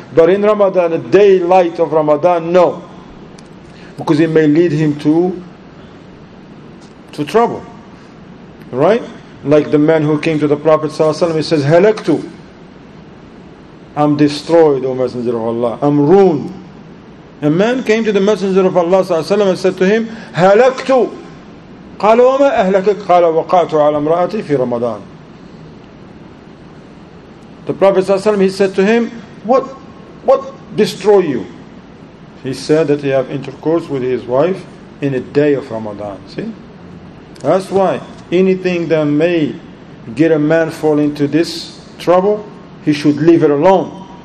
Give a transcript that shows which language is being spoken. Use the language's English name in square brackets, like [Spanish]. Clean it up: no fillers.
[English] But in Ramadan, the daylight of Ramadan, no. Because it may lead him to trouble. Right? Like the man who came to the Prophet sallallahu alaihi wasallam, he says, Halaktu. I'm destroyed, O Messenger of Allah. I'm ruined. A man came to the Messenger of Allah sallallahu alaihi wasallam and said to him, Halaktu. [Arabic] قال وما أهلكك قال وقعت على امرأتي في رمضان. [English] The Prophet ﷺ, he said to him, what destroy you? He said that he have intercourse with his wife in a day of Ramadan. See, that's why anything that may get a man fall into this trouble, he should leave it alone.